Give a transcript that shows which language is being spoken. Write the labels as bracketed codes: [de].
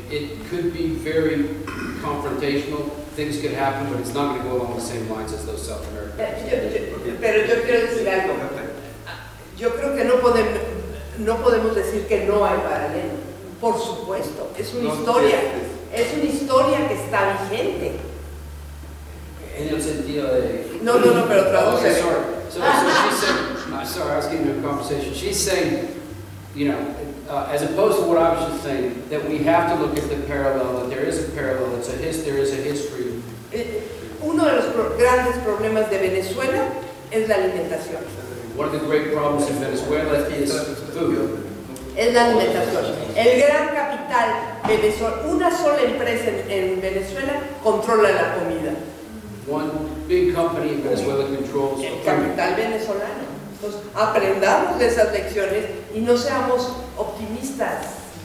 [en] It could be very confrontational. Things could happen, but it's not going to go along the same lines as those South American. [es] Pero yo quiero decir algo. Yo creo que no podemos decir que no hay paralelo. Por supuesto, es una historia. Es una historia que está vigente. En el sentido de. No, pero traduce. [en] Sorry, I was getting into a conversation. She's saying, as opposed to what I was just saying, that we have to look at the parallel, that there is a parallel, there is a history. [es] Uno de los grandes problemas de Venezuela es la alimentación. [en] One of the great problems in Venezuela is food. [es] Es la alimentación. El gran capital Venezuela, una sola empresa en Venezuela controla la comida. [en] One big company in Venezuela controls [es] el capital venezolano. Entonces, aprendamos de esas lecciones y no seamos optimistas.